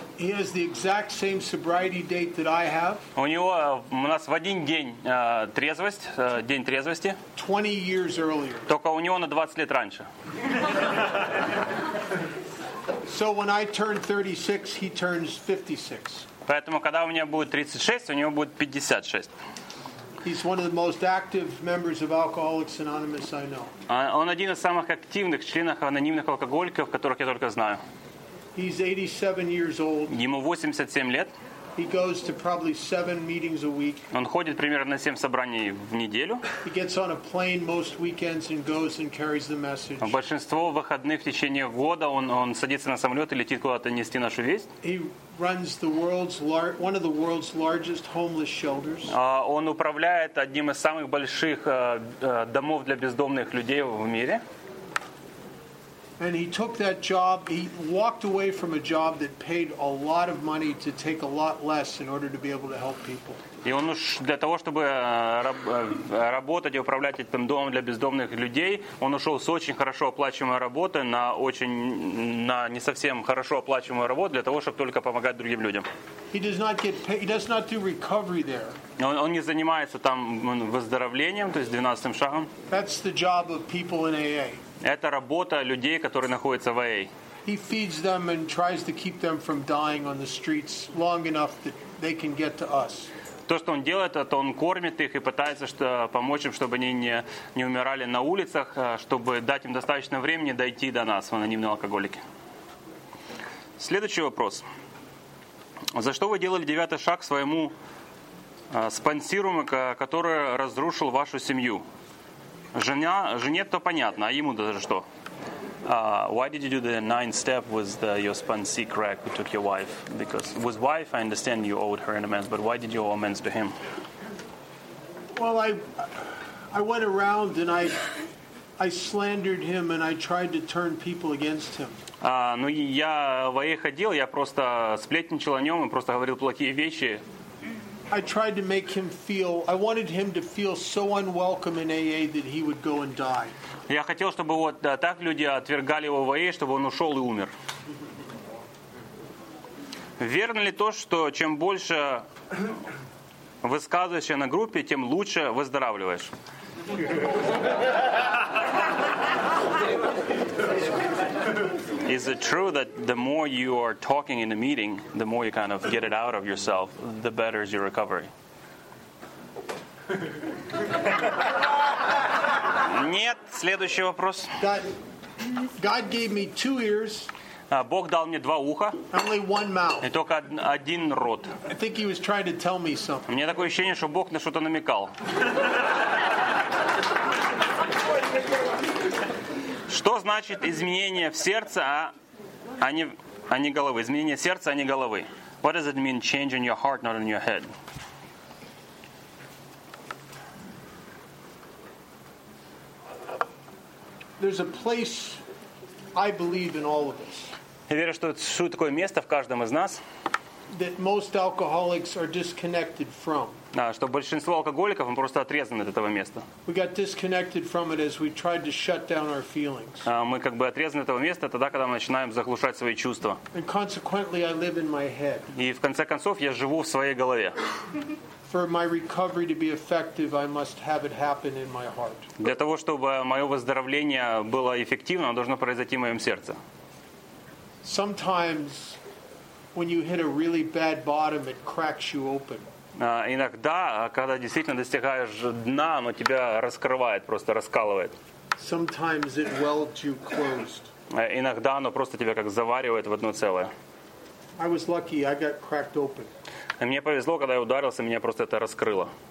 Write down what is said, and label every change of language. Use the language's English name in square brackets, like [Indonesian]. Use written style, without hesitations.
[English] He has the exact same sobriety date that I have. [Russian] У него у нас в один день трезвость, день трезвости. [English] 20 years earlier. [Russian] Только у него на 20 лет раньше. [English] So when I turn 36, he turns 56. [Russian] Поэтому когда у меня будет 36, у него будет 56. [English] He's one of the most active members of Alcoholics Anonymous I know. [Russian] Он один из самых активных членов анонимных алкоголиков, которых я только знаю. [English] He's 87 years old. [Russian] Ему 87 лет. [English] He goes to probably 7 meetings a week. [Russian] Он ходит примерно на 7 собраний в неделю. [English] He gets on a plane most weekends and goes and carries the message. [Russian] Большинство выходных в течение года он садится на самолет и летит куда-то нести нашу весть. [English] He runs the world's one of the world's largest homeless shelters. [Russian] Он управляет одним из самых больших домов для бездомных людей в мире. [English] And he took that job, he walked away from a job that paid a lot of money to take a lot less in order to be able to help people. [Russian] И он уж для того, чтобы работать и управлять этим домом для бездомных людей, он ушел с очень хорошо оплачиваемой работы на очень на не совсем хорошо оплачиваемую работу для того, чтобы только помогать другим людям. [English] He does not get paid, he does not do recovery there. [Russian] Он не занимается там выздоровлением, то есть 12-м шагом. [English] That's the job of people in AA. [Russian] Это работа людей, которые находятся в АА. [English] He feeds them and tries to keep them from dying on the streets long enough that they can get to us. [Russian] То, что он делает, это он кормит их и пытается помочь им, чтобы они не умирали на улицах, чтобы дать им достаточно времени дойти до нас, в анонимные алкоголики. Следующий вопрос. За что вы делали 9-й шаг своему спонсируемому, который разрушил вашу семью? Жене то понятно, а ему даже что? [English] Why did you do the 9th step with your sponsee, Craig, who took your wife? Because with wife, I understand you owed her an amends, but why did you owe amends to him? Well, I went around and I slandered him and I tried to turn people against him. [Russian] Ну, я в АА ходил, я просто сплетничал о нем и просто говорил плохие вещи. [English] I tried to make him feel, I wanted him to feel so unwelcome in AA that he would go and die. [Russian] Я хотел, чтобы вот так люди отвергали его в АА, чтобы он ушел и умер. Верно ли то, что чем больше высказываешься на группе, тем лучше выздоравливаешь? [English] Is it true that the more you are talking in a meeting, the more you kind of get it out of yourself, the better is your recovery? [Russian] Нет, следующий вопрос. [English] God gave me 2 ears. [Russian] Бог дал мне 2 уха. [English] Only one mouth. [Russian] И только один рот. [English] I think he was trying to tell me something. [Russian] У меня такое ощущение, что Бог на что-то намекал. Что значит изменение в сердце, а не головы? Изменение сердца, а не головы. [English] What does it mean change in your heart, not in your head? There's a place I believe in all of us. [Russian] Я верю, что существует такое место в каждом из нас. [English] That most alcoholics are disconnected from. [Russian] Да, что большинство алкоголиков мы просто отрезаны от этого места. [English] We got disconnected from it as we tried to shut down our feelings. [Russian] Мы как бы отрезаны от этого места тогда, когда мы начинаем заглушать свои чувства. [English] And consequently, I live in my head. [Russian] И в конце концов я живу в своей голове. [English] For my recovery to be effective, I must have it happen in my heart. [Russian] Для того, чтобы мое выздоровление было эффективным, оно должно произойти в моем сердце. [English] Sometimes, when you hit a really bad bottom, it cracks you open. [Russian] Иногда, когда действительно достигаешь дна, оно тебя раскрывает, просто раскалывает. [English] Sometimes it welds you closed. [Russian] Иногда оно просто тебя как заваривает в одно целое. [English] I was lucky, I got cracked open. [Russian] Мне повезло, когда я ударился, меня просто это раскрыло.